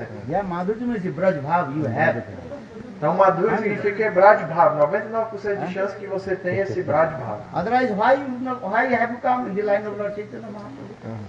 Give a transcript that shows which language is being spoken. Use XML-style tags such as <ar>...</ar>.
<en>Yeah, Madhurya means Braj Bhava, you have it.</en> <pt>Então, Madhurya significa Braj Bhava, 99% de chance que você tem esse Braj Bhava.</pt> <en>Otherwise, why you have come in the line of Lord Chaitanya Mahaprabhu?</en>